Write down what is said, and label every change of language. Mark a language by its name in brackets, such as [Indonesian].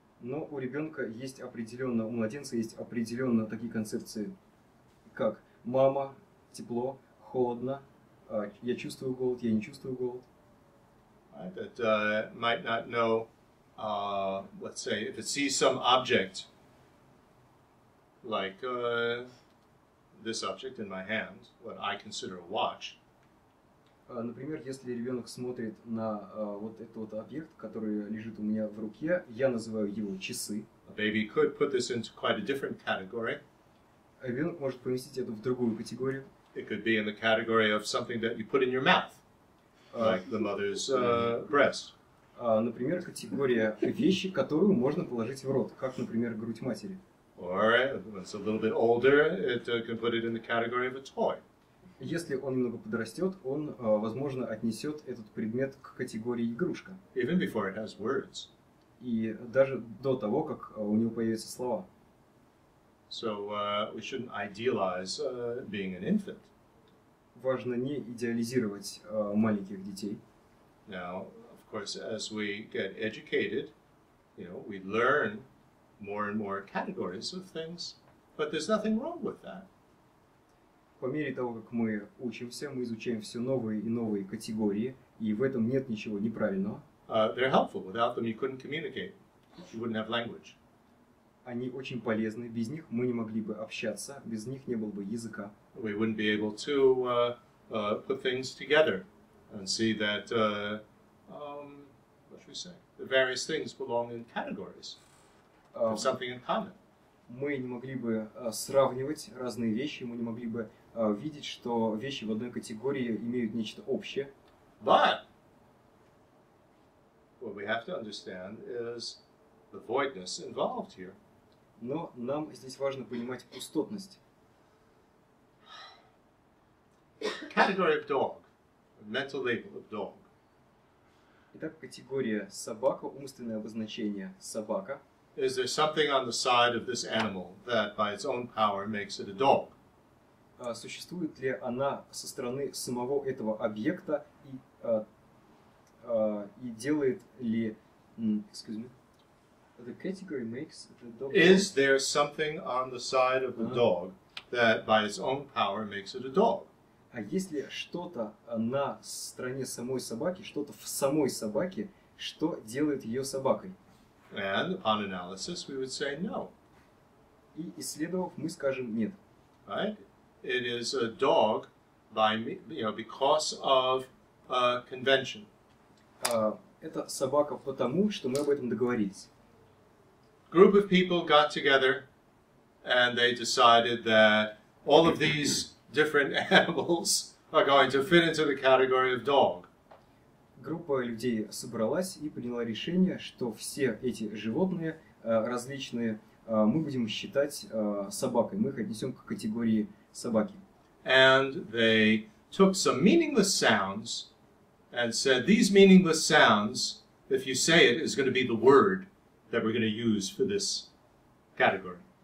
[Russian] Но у ребенка есть определенно, у младенца есть определенно такие концепции, как мама, тепло, холодно, я чувствую голод, я не чувствую голод. [English] That might not know, let's say, if it sees some object, like this object in my hand, what I consider a watch. [Russian] Например, если ребенок смотрит на вот этот вот объект, который лежит у меня в руке, я называю его часы. [English] A baby could put this into quite a different category. [Russian] Ребенок может поместить это в другую категорию. [English] It could be in the category of something that you put in your mouth, like the mother's breast. [Russian] Например, категория вещи, которую можно положить в рот, как, например, грудь матери. [English] Or when it's a little bit older, it can put it in the category of a toy. [Russian] Если он немного подрастет, он, возможно, отнесет этот предмет к категории игрушка. [English] Even before it has words. [Russian] И даже до того, как у него появятся слова. [English] So, we shouldn't idealize, being an infant. [Russian] Важно не идеализировать, маленьких детей. [English] Now, of course, as we get educated, you know, we learn more and more categories of things, but there's nothing wrong with that. [Russian] По мере того, как мы учимся, мы изучаем все новые и новые категории, и в этом нет ничего неправильного. [English] They're helpful. Without them you couldn't communicate. You wouldn't have language. [Russian] Они очень полезны. Без них мы не могли бы общаться. Без них не было бы языка. [English] We wouldn't be able to put things together and see that, what should we say, the various things belong in categories. Have something in common. [Russian] Мы не могли бы сравнивать разные вещи, мы не могли бы видеть, что вещи в одной категории имеют нечто общее. [English] But what we have to understand is the voidness involved here. [Russian] Но нам здесь важно понимать пустотность. [English] Category of dog. Mental label of dog. [Russian] Итак, категория собака, умственное обозначение собака. [English] Is there something on the side of this animal that by its own power makes it a dog? [Russian] Существует ли она со стороны самого этого объекта и делает ли, [English] excuse me, the category makes the dog? Is there something on the side of the dog that by its own power makes it a dog? [Russian] А есть ли что-то на стороне самой собаки, что-то в самой собаке, что делает ее собакой? [English] And upon analysis, we would say no. [Russian] И исследовав, мы скажем нет. [English] Right? It is a dog, by me, you know, because of a convention. [Russian] Это собака потому, что мы об этом договорились. [English] Group of people got together, and they decided that all of these different animals are going to fit into the category of dog. [Russian] Группа людей собралась и приняла решение, что все эти животные различные мы будем считать собакой. Мы их отнесем к категории собаки. [English] And they took some meaningless sounds and said, these meaningless sounds, if you say it, is going to be the word that we're going to use for this category.